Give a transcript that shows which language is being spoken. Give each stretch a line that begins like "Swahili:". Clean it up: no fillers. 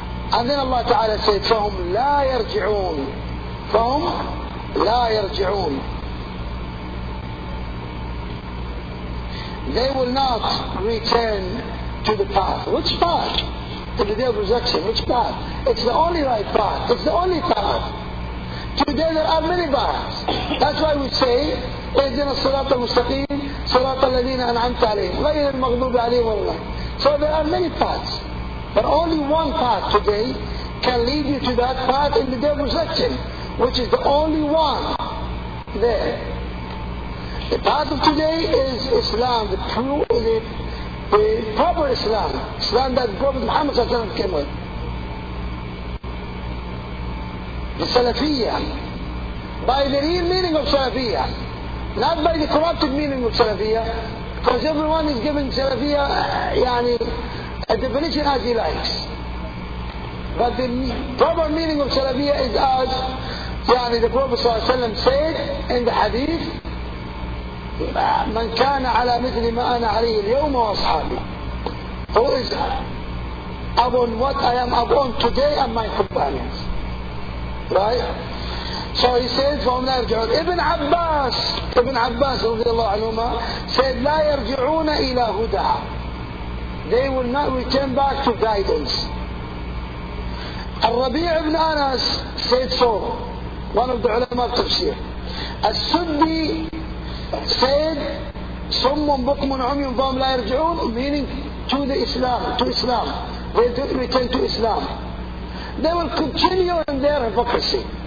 English: And then Allah Ta'ala said,
Arabic: فَهُمْ لَا يَرْجِعُونَ فَهُمْ لَا يَرْجِعُونَ
English: They will not return to the path. Which path? To the day of resurrection. Which path? It's the only right path. It's the only path. Today there are many paths. That's why we say,
Arabic: اهدنا الصراط المستقيم صراط الذين انعمت عليهم غير المغضوب عليهم ولا الضالين.
English: So there are many paths, but only one path today can lead you to that path in the day of resurrection, which is the only one there. The path of today is Islam, the true, the proper Islam, Islam that Prophet Muhammad صلى الله عليه وسلم came with, the Salafiyya, by the real meaning of Salafiyya. Not by the corrupted meaning of Salafiyya, because everyone is giving Salafiyya yani, a definition as he likes. But the proper meaning of Salafiyya is as yani, the Prophet صلى الله عليه وسلم said in the hadith,
Arabic: من كان على مثل ما أنا عليه اليوم وأصحابي.
English: Who is upon what I am upon today and my companions. Right? So he said,
Arabic: فهم لا يرجعون.
English: Ibn Abbas رضي الله عنهما said,
Arabic: لا يرجعون إلى هدى.
English: They will not return back to guidance. الربيع بن أنس said so. One of the
Arabic: علماء التفسير.
English: السدي said,
Arabic: صم بكم عمي فهم لا يرجعون,
English: meaning to the Islam, to Islam. They don't return to Islam. They will continue in their hypocrisy.